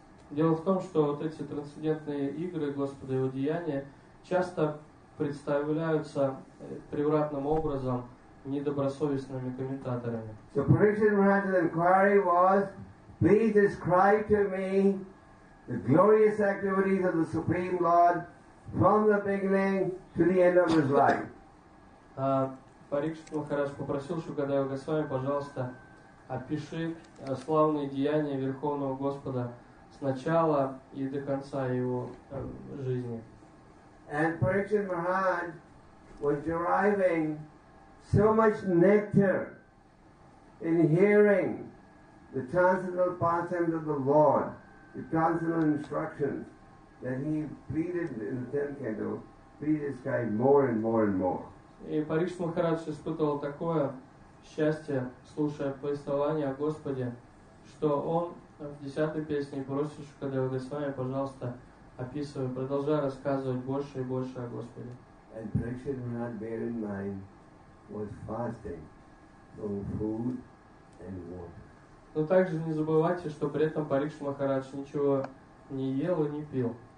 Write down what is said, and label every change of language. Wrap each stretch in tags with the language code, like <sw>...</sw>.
<ru>Дело в том, что вот эти трансцендентные игры Господа и его деяния часто представляются превратным образом недобросовестными комментаторами.</ru> <en>So Parikshit Maharaj's inquiry was, please describe to me the glorious activities of the Supreme Lord from the beginning to the end of his life.</en> <ru>Парикшит Махарадж попросил Шукадева Госвами, пожалуйста, опиши славные деяния Верховного Господа с начала и до конца его жизни.</ru> <en>And Parikshit Maharaj was deriving so much nectar in hearing the transcendental pastimes of the Lord, the transcendental instructions that he pleaded in the 10th canto, please describe more and more and more.</en> <ru>И Парикшит Махарадж испытывал такое счастье, слушая повествование о Господе, что он в 10-й песне просит Шукадева Госвами, пожалуйста, описывай, продолжай рассказывать больше и больше о Господе.</ru> <en>And Parikshit Maharaj, bear in mind, was fasting from food and water.</en> <ru>Но также не забывайте, что при этом Парикшит Махарадж ничего не ел и не пил.</ru>